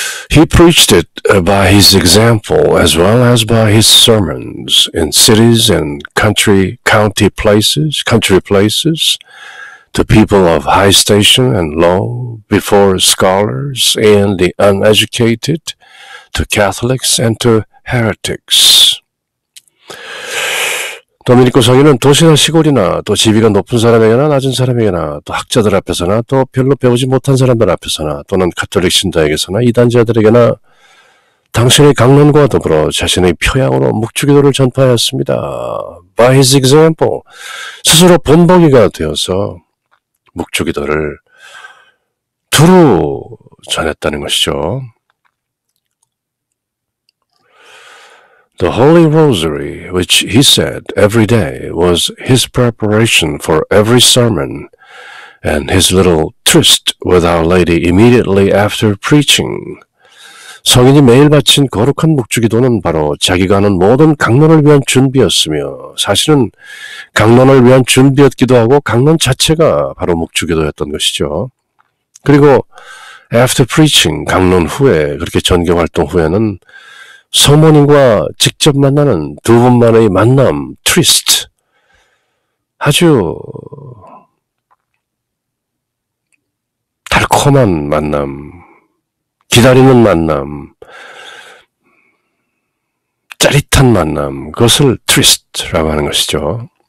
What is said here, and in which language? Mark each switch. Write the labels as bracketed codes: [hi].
[en] He preached it by his example as well as by his sermons in cities and country places, to people of high station and low, before scholars and the uneducated, to Catholics and to heretics. [ko] 도미니코 성인은 도시나 시골이나 또 지위가 높은 사람에게나 낮은 사람에게나 또 학자들 앞에서나 또 별로 배우지 못한 사람들 앞에서나 또는 가톨릭 신자에게서나 이단자들에게나 당신의 강론과 더불어 자신의 표양으로 묵주기도를 전파하였습니다. [en] By his example, [ko] 스스로 본보기가 되어서 묵주기도를 두루 전했다는 것이죠. [en] The Holy Rosary, which he said every day, was his preparation for every sermon, and his little tryst with Our Lady immediately after preaching. [ko] 성인이 매일 바친 거룩한 묵주기도는 바로 자기가 하는 모든 강론을 위한 준비였으며, 사실은 강론을 위한 준비였기도 하고 강론 자체가 바로 묵주기도였던 것이죠. 그리고 [en] after preaching, [ko] 강론 후에, 그렇게 전교활동 후에는 성모님과 직접 만나는 두 분만의 만남, tryst, 아주 달콤한 만남, 기다리는 만남, 짜릿한 만남, 그것을 tryst라고 하는 것이죠.